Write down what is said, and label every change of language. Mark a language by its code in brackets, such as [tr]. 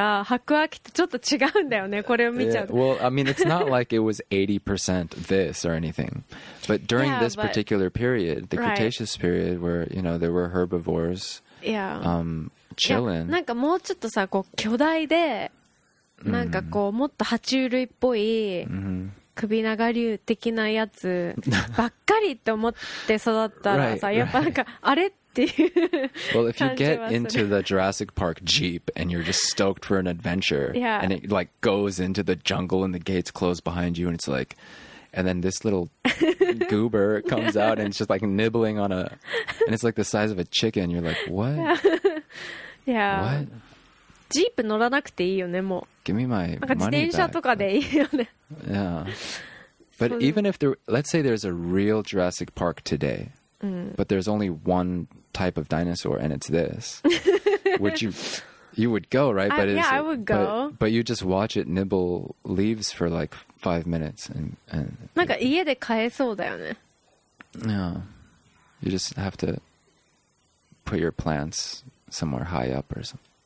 [ja] やっぱさ、うちらが子供の頃に想像してた白亜紀とちょっと違うんだよね、これを見ちゃうと。 [en] Well, I mean, it's not like it was 80% this or anything. But during this particular period, the Cretaceous period, where, you know, there were herbivores. Yeah. Chilling. [ja] なんかもうちょっとさ、こう巨大で なんかこうもっと爬虫類っぽい首長竜的なやつばっかりって思って育ったらさ、やっぱなんかあれっていう感じはする。 [en] Well, if you get into the Jurassic Park Jeep and you're just stoked for an adventure, yeah. And it like goes into the jungle and the gates close behind you and it's like, and then this little goober comes out and it's just like nibbling on a, and it's like the size of a chicken. You're like, what? Yeah. What? [ja] ジープ乗らなくていいよね、もう。 [en] Give me my [ja] なんか自転車とかでいいよね。 [en] Yeah. But even if there, let's say there's a real Jurassic Park today, but there's only one type of dinosaur and it's this. would you go, right? Yeah, I would go. But you just watch it nibble leaves for like 5 minutes and [ja] なんか家で飼えそうだよね。 [en] Yeah. You just have to put your plants somewhere high up or something.